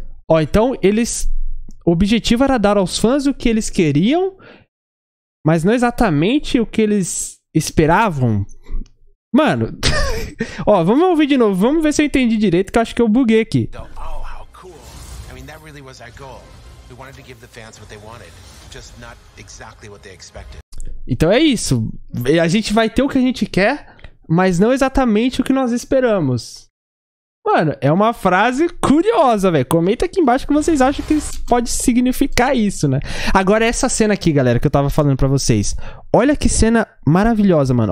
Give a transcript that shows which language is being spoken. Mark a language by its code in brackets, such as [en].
[pt] Ó, então, eles... O objetivo era dar aos fãs o que eles queriam, mas não exatamente o que eles esperavam. Mano, ó, vamos ouvir de novo, vamos ver se eu entendi direito, que eu acho que eu buguei aqui. [en] Oh, how cool. I mean, that really was our goal. We wanted to give the fans what they wanted, just not exactly what they expected. [pt] Então é isso. A gente vai ter o que a gente quer, mas não exatamente o que nós esperamos. Mano, é uma frase curiosa, velho. Comenta aqui embaixo o que vocês acham que pode significar isso, né? Agora, essa cena aqui, galera, que eu tava falando pra vocês. Olha que cena maravilhosa, mano.